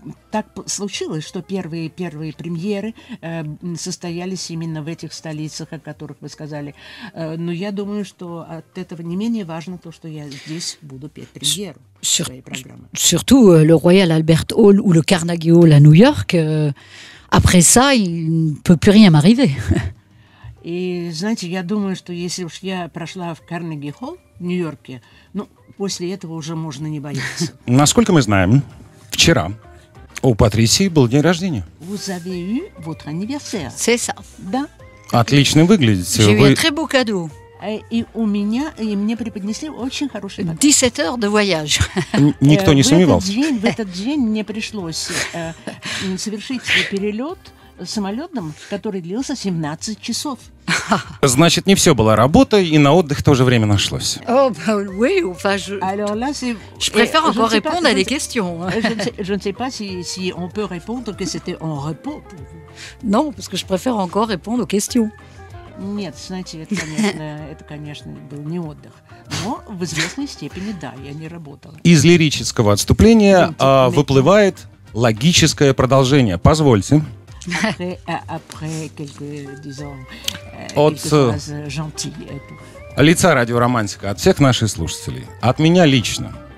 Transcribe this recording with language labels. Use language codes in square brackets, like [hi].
[ru] Так случилось, что первые премьеры состоялись именно в этих столицах, о которых вы сказали. Но я думаю, что от этого не менее важно то, что я здесь буду петь премьеру своей программы. [fr] Surtout le Royal Albert Hall ou le Carnegie Hall à New York, après ça, il ne peut plus rien m'arriver. [ru] И, знаете, я думаю, что если уж я прошла в Карнеги Холл в Нью-Йорке, ну, после этого уже можно не бояться. Насколько мы знаем, вчера у Патрисии был день рождения. [fr] Vous avez eu votre anniversaire. C'est ça. [ru] Да. Отлично выглядите. [fr] J'ai eu un très beau cadeau. [ru] И у меня, и мне преподнесли очень хороший подарок. [fr] 17 heures de voyage. [ru] Никто не сомневался. В этот день мне пришлось совершить перелет самолетом, который длился 17 часов. Значит, не все было работой, и на отдых тоже время нашлось. [fr] Je préfère encore répondre à des questions. Je ne sais pas si on peut répondre que c'était en repos. Non, parce que je préfère encore répondre aux questions. [ru] Нет, знаете, это, конечно, был не отдых, но в известной степени, да, я не работала. Из лирического отступления выплывает логическое продолжение. Позвольте. Лица радиоромантика от всех наших слушателей, от меня лично.